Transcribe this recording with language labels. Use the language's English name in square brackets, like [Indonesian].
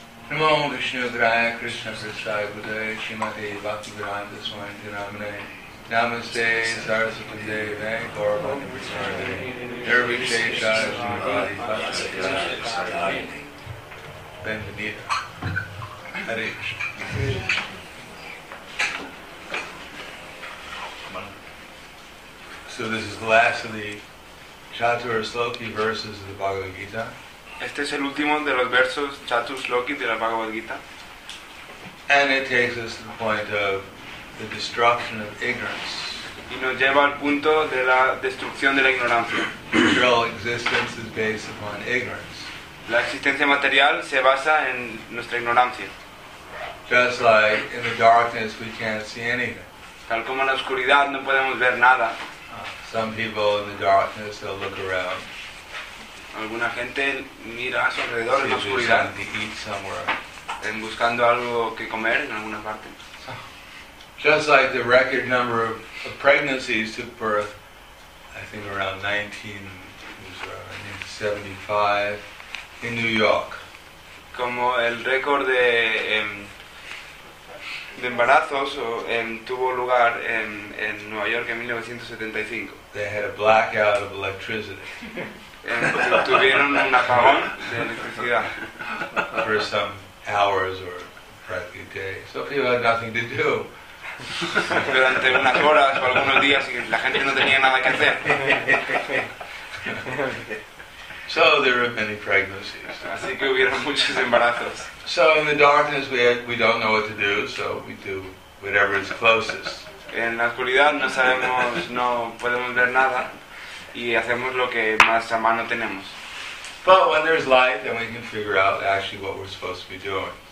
[Sanskrit] Namo Vishnu Graya Krishna Prasaya Buddhaya Shimati Bhakti Vedanta Swami Dhanamane Namaste, Sarasvati Deva, Gorva, Sarve, Nirviche, Shai, Shimabadi, Pasha, Yashi, Sarai, Benvenida, Hare Krishna. [English] So this is the last of the Chatur Sloki verses of the Bhagavad Gita. [Spanish] Este es el último de los versos Chatur Sloki de la Bhagavad Gita. [English] And it takes us to the point of the destruction of ignorance. [Spanish] Y nos lleva al punto de la destrucción de la ignorancia. [English] Material existence is based upon ignorance. [Spanish] La existencia material se basa en nuestra ignorancia. [English] Just like in the darkness we can't see anything. [Spanish] Tal como en la oscuridad no podemos ver nada. [English] Some people in the darkness they'll look around. [Spanish] Alguna gente mira a su alrededor en la oscuridad. [English] To eat somewhere. [Spanish] En buscando algo que comer en alguna parte. [English] Just like the record number of pregnancies took birth, I think around 1975 in New York. [Spanish] Como el récord de embarazos tuvo lugar en Nueva York en 1975. [English] They had a blackout of electricity. [Spanish] Tuvieron un apagón de electricidad. [English] For some hours or practically days. So people had nothing to do. [Spanish] Durante unas horas o algunos días y la gente no tenía nada que hacer. [English] So there were many pregnancies. [Spanish] Así que hubieron muchos embarazos. [English] So in the darkness we don't know what to do, so we do whatever is closest. [Spanish] En la oscuridad no sabemos, no podemos ver nada y hacemos lo que más a mano tenemos. [English] But when there's light, then we can figure out actually what we're supposed to be doing.